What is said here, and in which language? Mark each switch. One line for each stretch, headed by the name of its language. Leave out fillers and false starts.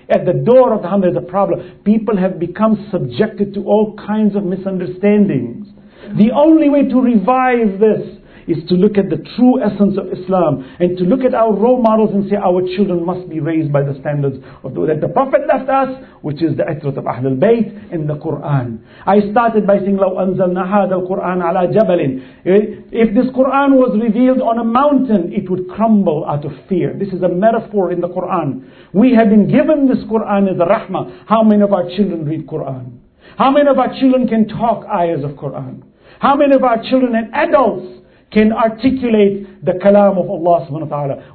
English: At the door of the haram, there's a problem. People have become subjected to all kinds of misunderstandings. The only way to revive this is to look at the true essence of Islam and to look at our role models and say our children must be raised by the standards of the way that the Prophet left us, which is the Itrat of Ahlul Bayt and the Quran. I started by saying,
Arabic: لَوْ أَنزَلْنَا هَذَا الْقُرْآنَ عَلَىٰ جَبَلٍ.
English: If this Quran was revealed on a mountain, it would crumble out of fear. This is a metaphor in the Quran. We have been given this Quran as a rahmah. How many of our children read Quran? How many of our children can talk ayahs of Quran? How many of our children and adults can articulate the kalam of Allah subhanahu wa ta'ala?